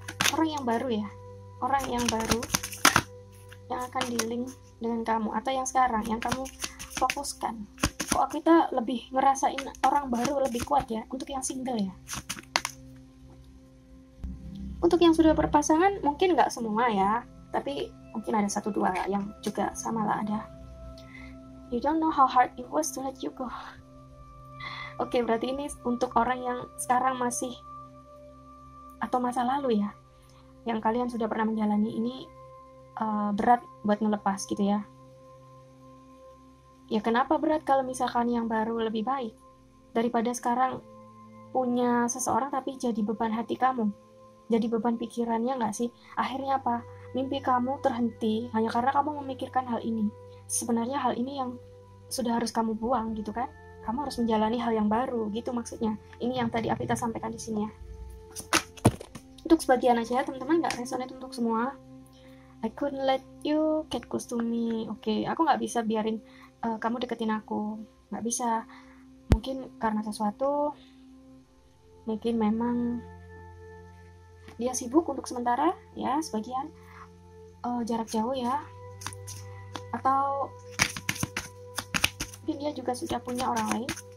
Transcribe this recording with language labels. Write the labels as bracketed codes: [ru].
[id] Orang yang baru ya, orang yang baru yang akan di-link dengan kamu, atau yang sekarang yang kamu fokuskan. Kok kita lebih ngerasain orang baru lebih kuat ya, untuk yang single ya. Untuk yang sudah berpasangan mungkin nggak semua ya, tapi mungkin ada 1-2 yang juga sama lah ada. [en] You don't know how hard it was to let you go. [id] Okay, berarti ini untuk orang yang sekarang masih, atau masa lalu ya, yang kalian sudah pernah menjalani ini, berat buat ngelepas gitu ya. Ya kenapa berat kalau misalkan yang baru lebih baik daripada sekarang punya seseorang tapi jadi beban hati kamu, jadi beban pikirannya nggak sih? Akhirnya apa? Mimpi kamu terhenti hanya karena kamu memikirkan hal ini. Sebenarnya hal ini yang sudah harus kamu buang gitu kan? Kamu harus menjalani hal yang baru gitu maksudnya. Ini yang tadi Apita sampaikan di sini ya. Untuk sebagian aja ya teman-teman, nggak resonate untuk semua. [en] I couldn't let you get close to me. [id] Okay, aku nggak bisa biarin kamu deketin aku. Nggak bisa. Mungkin karena sesuatu. Mungkin memang dia sibuk untuk sementara ya, sebagian jarak jauh ya. Atau mungkin dia juga sudah punya orang lain.